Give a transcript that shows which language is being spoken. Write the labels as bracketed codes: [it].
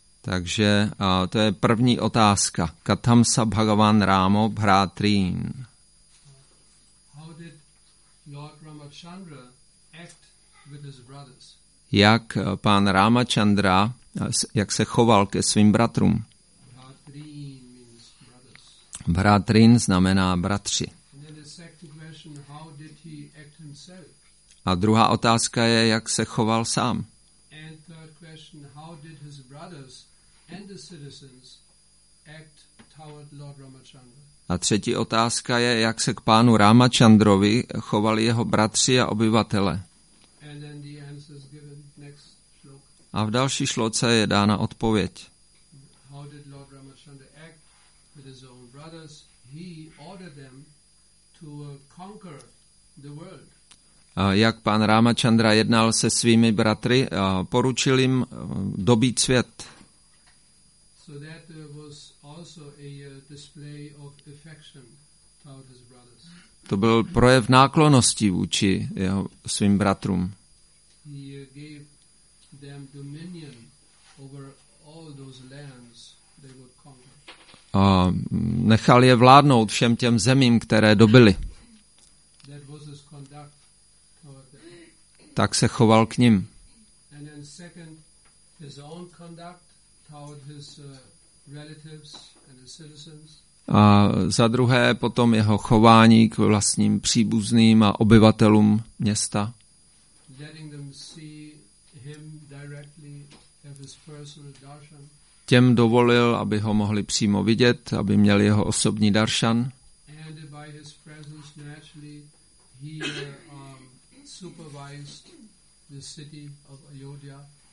[cs] Takže to je první otázka. [sa] Katamsa Bhagavan Rámo Bhrátrín. [en] How did Lord Ramachandra act with his brothers? [cs] Jak pán Ramachandra, jak se choval ke svým bratrům? [en] Bhrátrín means brothers. [cs] Bhrátrín znamená bratři. [en] And then the second question, how did he act himself? [cs] A druhá otázka je, jak se choval sám? [en] And third question, how did his brothers and the citizens act toward Lord Ramachandra. [cs] A třetí otázka je, jak se k pánu Ramachandrovi chovali jeho bratři a obyvatele. [en] And then the answer is given next shlok. [cs] A v další šloce je dána odpověď. [en] How did Lord Ramachandra act with his own brothers? He ordered them to conquer the world. [cs] Jak pán Ramachandra jednal se svými bratry, poručil jim dobít svět. [en] So that was also a display of affection toward his brothers. [cs] To byl projev náklonosti vůči jeho svým bratrům. [en] He gave them dominion over all those lands they would conquer. [cs] A nechal je vládnout všem těm zemím, které dobyli. [en] That was his conduct toward them. [cs] Tak se choval k ním. [en] And then second, his own conduct toward his relatives and his citizens. [cs] A za druhé potom jeho chování k vlastním příbuzným a obyvatelům města. [en] Letting them see him directly, have his personal darshan. [cs] Těm dovolil, aby ho mohli přímo vidět, aby měli jeho osobní darshan. [en] And by his presence naturally he supervised the city of Ayodhya.